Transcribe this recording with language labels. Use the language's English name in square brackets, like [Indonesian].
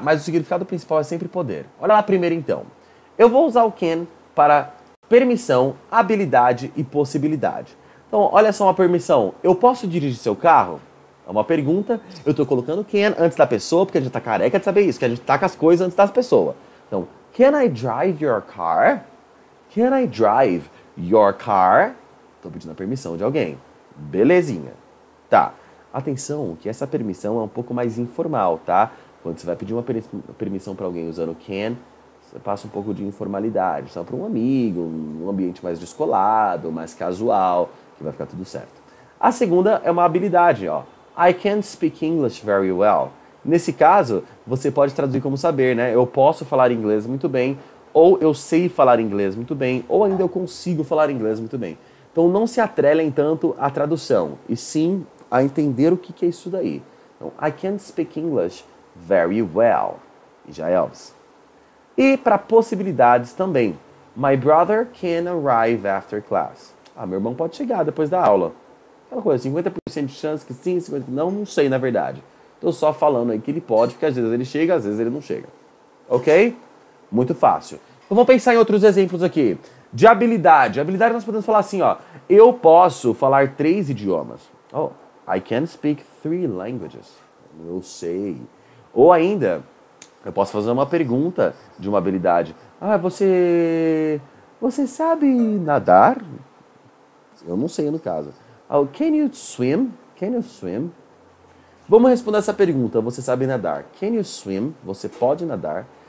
[Portuguese] Mas o significado principal é sempre poder. Olha lá primeiro, então. Eu vou usar o can para permissão, habilidade e possibilidade. Então, olha só uma permissão. Eu posso dirigir seu carro? É uma pergunta, eu tô colocando can antes da pessoa, porque a gente tá careca de saber isso, que a gente tá com as coisas antes das pessoas. [English] Então, can I drive your car? Can I drive your car? [Portuguese] Tô pedindo a permissão de alguém. Belezinha. Tá. Atenção que essa permissão é um pouco mais informal, tá? Quando você vai pedir uma permissão pra alguém usando can, você passa um pouco de informalidade. Só pra um amigo, um ambiente mais descolado, mais casual, que vai ficar tudo certo. A segunda é uma habilidade, ó. [English] I can speak English very well. [Portuguese] Nesse caso, você pode traduzir como saber, né? Eu posso falar inglês muito bem, ou eu sei falar inglês muito bem, ou ainda eu consigo falar inglês muito bem. Então não se atrelem tanto à tradução, e sim a entender o que é isso daí. [English] Então, I can speak English very well. [Portuguese] E já é Elvis. E para possibilidades também. [English] My brother can arrive after class. [Portuguese] Ah, meu irmão pode chegar depois da aula. Aquela coisa, 50% de chance que sim, 50%, não sei, na verdade. Tô só falando aí que ele pode, porque às vezes ele chega, às vezes ele não chega. Ok? Muito fácil. Então vamos pensar em outros exemplos aqui. De habilidade. Habilidade nós podemos falar assim, ó. Eu posso falar 3 idiomas. [English] Oh, I can speak 3 languages. [Portuguese] Eu sei. Ou ainda, eu posso fazer uma pergunta de uma habilidade. Ah, você sabe nadar? Eu não sei, no caso. [English] Oh, can you swim? Can you swim? [Portuguese] Vamos responder essa pergunta. Você sabe nadar? [English] Can you swim? [Portuguese] Você pode nadar?